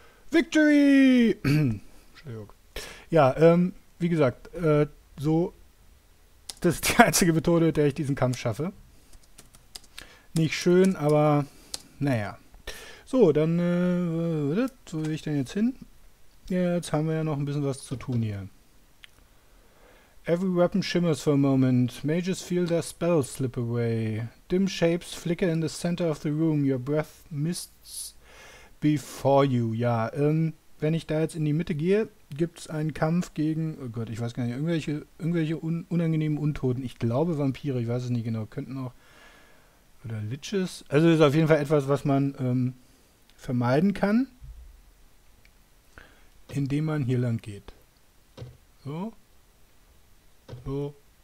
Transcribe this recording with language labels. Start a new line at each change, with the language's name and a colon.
German: Victory! Entschuldigung. Ja, wie gesagt, so, das ist die einzige Methode, mit der ich diesen Kampf schaffe. Nicht schön, aber naja. So, dann, wo will ich denn jetzt hin? Jetzt haben wir ja noch ein bisschen was zu tun hier.
English: Every weapon shimmers for a moment. Mages feel their spells slip away. Dim shapes flicker in the center of the room. Your breath mists before you.
German: Ja, wenn ich da jetzt in die Mitte gehe, gibt es einen Kampf gegen, oh Gott, ich weiß gar nicht, unangenehmen Untoten. Ich glaube Vampire, ich weiß es nicht genau. Könnten auch. Oder Liches. Also ist auf jeden Fall etwas, was man vermeiden kann, indem man hier lang geht. So. So.